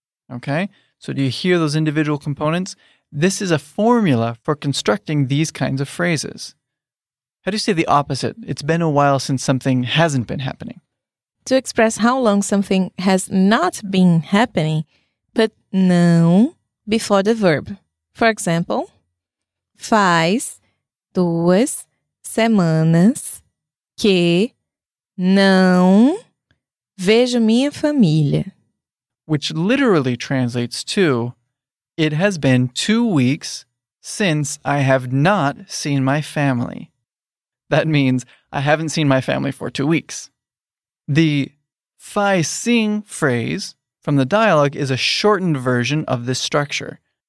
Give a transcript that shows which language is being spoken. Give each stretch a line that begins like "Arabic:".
English: Okay, so do you hear those individual components? This is a formula for constructing these kinds of phrases. How do you say the opposite? It's been a while since something hasn't been happening. To express how long something has not been happening, put não before the verb. For example,
Portuguese: faz duas semanas que não vejo minha família.
English: Which literally translates to, it has been 2 weeks since I have not seen my family. That means I haven't seen my family for 2 weeks. The fai sing phrase from the dialogue is a shortened version of this structure.